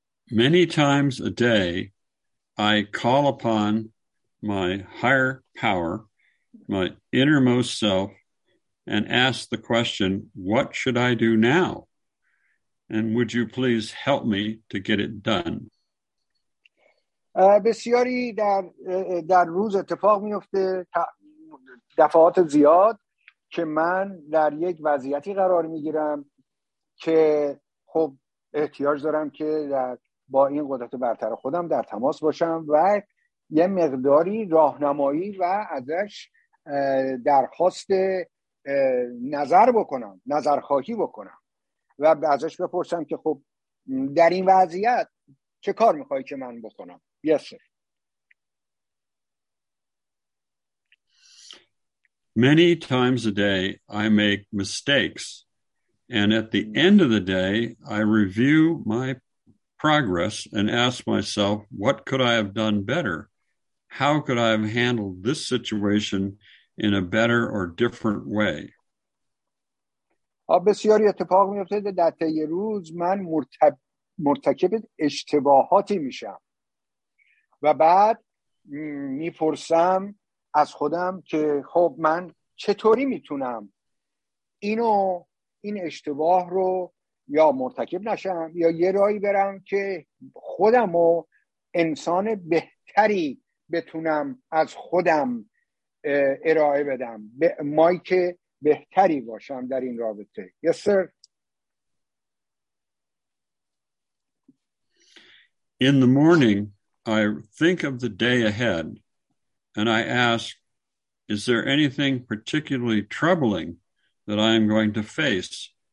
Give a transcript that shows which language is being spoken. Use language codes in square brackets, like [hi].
[en] Many times a day, I call upon my higher power, my innermost self, and ask the question, what should I do now? And would you please help me to get it done? [fa] بسیاری در روز اتفاق میفته دفعات زیاد که من در یک وضعیتی قرار میگیرم که خب احتیاج دارم که در با این قدرت برتر خودم در تماس باشم و یه مقداری راهنمایی و ازش درخواست نظر بکنم، نظرخواهی بکنم و ازش بپرسم که خب در این وضعیت چه کار میخوای که من بکنم. [en] Yes, sir. Many times a day I make mistakes and at the end of the day I review my progress and ask myself, what could I have done better? How could I have handled this situation in a better or different way? [fa] بسیاری اتفاق میفته در طی روز من مرتکب اشتباهاتی میشم و بعد میپرسم از خودم که خب من چطوری میتونم اینو این اشتباه رو یا مرتکب نشم یا یه راهی برم که خودمو انسان بهتری بتونم از خودم ارائه بدم، مایک بهتری باشم در این رابطه. [en] Yes sir. In the morning I think of the day ahead and I ask, is there anything particularly troubling that I am going to face?